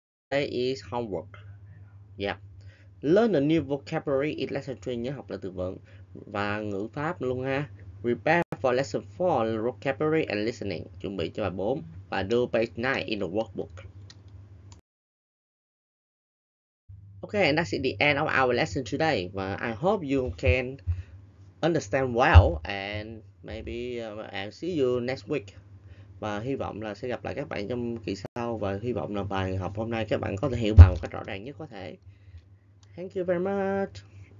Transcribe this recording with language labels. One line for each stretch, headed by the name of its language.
English: Đây is homework. Yeah. Learn a new vocabulary in lesson 3,
Vietnamese: nhớ học là từ vựng và ngữ pháp luôn ha.
English: Prepare for lesson 4, vocabulary and listening.
Vietnamese: Chuẩn bị cho bài 4 và
English: do page 9 in the workbook. Okay, and that's the end of our lesson today. Và I hope you can understand well and maybe I'll see you next week.
Vietnamese: Và hy vọng là sẽ gặp lại các bạn trong kỳ sau và hy vọng là bài học hôm nay các bạn có thể hiểu bằng một cách rõ ràng nhất có thể.
English: Thank you very much.